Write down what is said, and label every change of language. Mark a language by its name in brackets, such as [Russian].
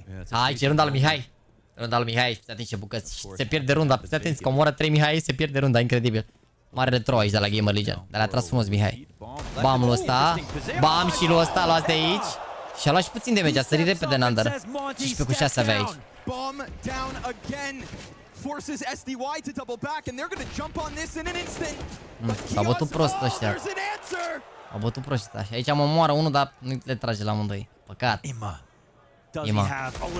[Romanian] Hai, ce runda lui Mihai. Runda lui Mihai, fiți atenți ce bucăți. Se pierde runda, fiți atenți că omoră 3 Mihai, se pierde runda, incredibil. Mare retro aici de la Gamer Legion, dar a tras frumos Mihai. Bam lu' ăsta, bam și lu' ăsta, luați de aici. Și a luat și puțin damage, a sărit repede în under. 15-6 avea aici. [English] Bomb down again, forces SDY to double back and they're gonna jump on this in an instant. [Romanian] A bătut prost ăștia. A bătut prost ăștia. Și aici mă moară unul, dar nu le trage la amândoi. Păcat. Ima. Ima.